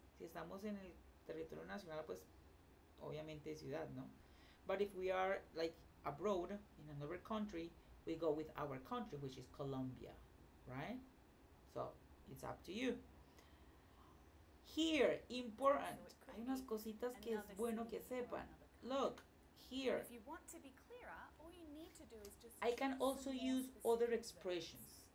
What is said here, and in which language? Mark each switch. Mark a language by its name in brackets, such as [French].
[Spanish] Si estamos en el territorio nacional, pues obviamente ciudad, ¿no? [English] But if we are like abroad in another country, we go with our country, which is Colombia, right? So it's up to you. Here, important. So [Spanish] hay unas cositas que es bueno que sepan. [English] Look, here. If you want to be clearer, all you need to do is just I can also use other expressions.